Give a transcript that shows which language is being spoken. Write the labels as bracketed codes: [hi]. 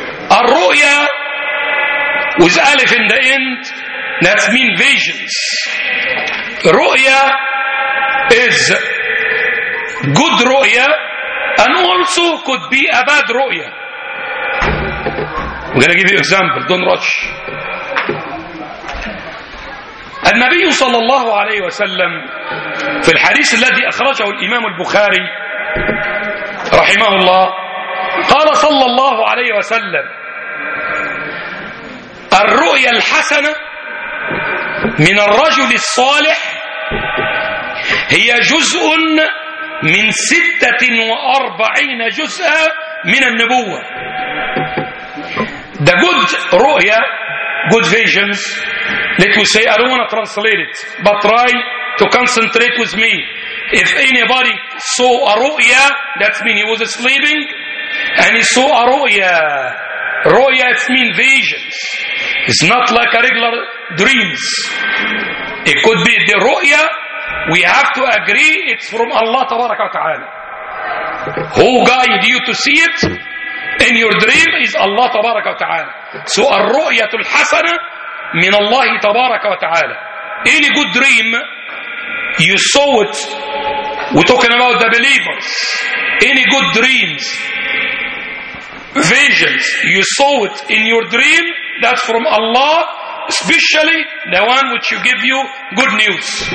[en] الرؤيا with ألف in the end that means visions. رؤيا is good رؤيا and also could be a bad رؤيا. I'm going to give you an example. Don't rush. [ar] النبي صلى الله عليه وسلم في الحديث الذي أخرجه الإمام البخاري رحمه الله قال صلى الله عليه وسلم الرؤيا الحسنة من الرجل الصالح هي جزء من 46 جزءا من النبوة. [en] The good رؤيا, good visions, let me say, I don't want to translate it, but try to concentrate with me. If anybody saw a رؤيا, that means he was sleeping, and he saw a رؤيا. رؤيا, it means visions. It's not like a regular dreams. It could be the رؤيا, we have to agree, it's from Allah [ar] تبارك وتعالى. [en] Who guide you to see it? In your dream is Allah [ar] تبارك وتعالى. So الرؤية الحسنة من الله تبارك وتعالى. [en] Any good dream you saw it, we're talking about the believers. Any good dreams, visions you saw it in your dream, that's from Allah, especially the one which you give you good news.